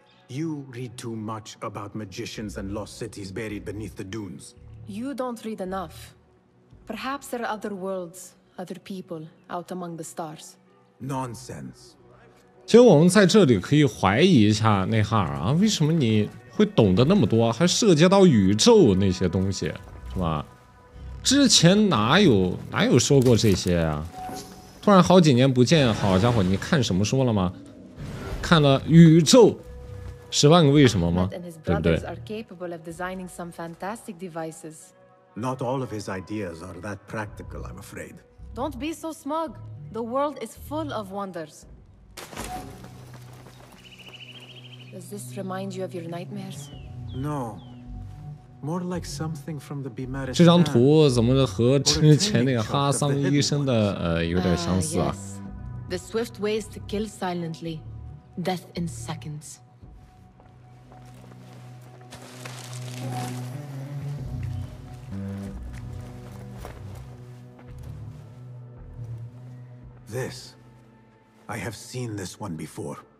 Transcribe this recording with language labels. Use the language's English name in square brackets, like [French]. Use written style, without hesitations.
[English] You read too much about magicians and lost cities buried beneath the dunes. You don't read enough. Perhaps there are other worlds, other people out among the stars. Nonsense. [Chinese] 其实我们在这里可以怀疑一下内哈尔啊，为什么你会懂得那么多，还涉及到宇宙那些东西，是吧？之前哪有说过这些啊？突然好几年不见，好家伙，你看什么书了吗？看了宇宙。十万个为什么吗？对不对？ [English] Are capable of designing some fantastic devices. Not all of his ideas are that practical, I'm afraid. Don't be so smug. The world is full of wonders. Does this remind you of your nightmares? No. More like something from the Bimaris. [Chinese] 这张图怎么和之前那个哈桑医生的有点相似啊？ [English] Yes. The swift ways to kill silently, death in seconds. This, I have seen this one before.